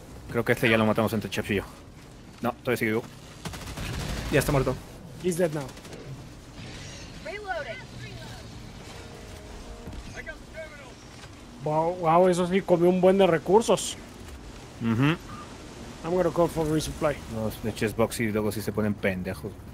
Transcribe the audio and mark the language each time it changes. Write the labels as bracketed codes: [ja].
[es] Creo que este ya lo matamos entre Chef y yo. No, todavía sigue vivo. Ya está muerto. [en] He's dead now. [es] Wow, eso sí comió un buen de recursos. [en] I'm gonna call for resupply. [es] Los de chest box y luego sí se ponen pendejos.